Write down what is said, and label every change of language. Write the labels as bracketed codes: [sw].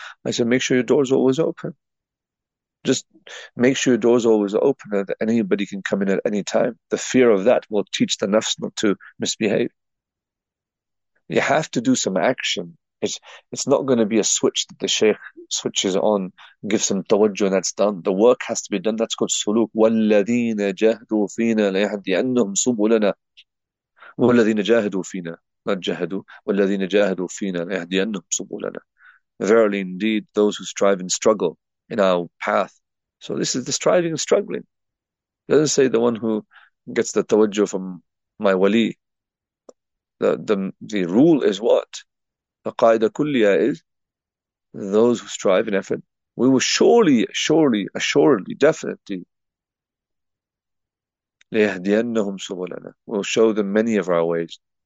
[en] I said, make sure your door's always open. Just make sure your door's always open and that anybody can come in at any time. The fear of that will teach the nafs not to misbehave. You have to do some action. It's not going to be a switch that the sheikh switches on, gives some tawajjuh, and that's done. The work has to be done. That's called suluk. [ar] وَالَّذِينَ جَاهَدُوا فِينَا لَيَهْدِيَنَّهُمْ سُبُلَنَا وَالَّذِينَ جَاهَدُوا فِينَا Not جَاهَدُوا وَالَّذِينَ جَاهَدُوا فِينَا لَيَهْدِيَنَّهُمْ سُبُلَنَا [en] Verily, indeed, those who strive and struggle in our path. So this is the striving and struggling. It doesn't say the one who gets the tawajjuh from my wali. The rule is what? The qaida kulliya is those who strive in effort, we will surely, definitely, [ar] لَيَهْدِيَنَّهُمْ سُبُلَنَا [en] We'll show them many of our ways.